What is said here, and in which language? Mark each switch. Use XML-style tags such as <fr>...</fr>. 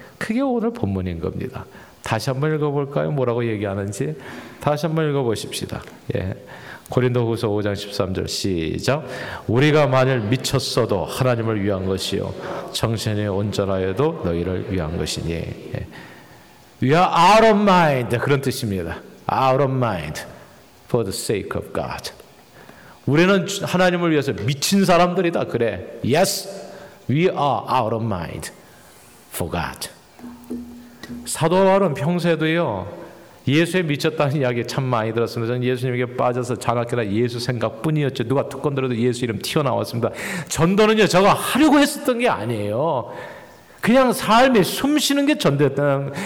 <ko>그게 오늘 본문인 겁니다. 다시 한번 읽어볼까요? 뭐라고 얘기하는지 다시 한번 읽어보십시다. 예. 고린도후서 5장 13절 시작. 우리가 만일 미쳤어도 하나님을 위한 것이요 정신이 온전하여도 너희를 위한 것이니. 예.</ko> <en>We are out of mind.</en> <ko>그런 뜻입니다.</ko> <en>Out of mind for the sake of God.</en> <ko>우리는 하나님을 위해서 미친 사람들이다. 그래.</ko> <en>Yes, we are out of mind for God.</en> <ko>사도 바울은 평소에도요 예수에 미쳤다는 이야기 참 많이 들었습니다. 저는 예수님에게 빠져서 자라게나 예수 생각뿐이었죠. 누가 듣건 들어도 예수 이름 튀어나왔습니다. 전도는요 저거 하려고 했었던 게 아니에요. 그냥 삶에 숨 쉬는 게 전도였다는.</ko>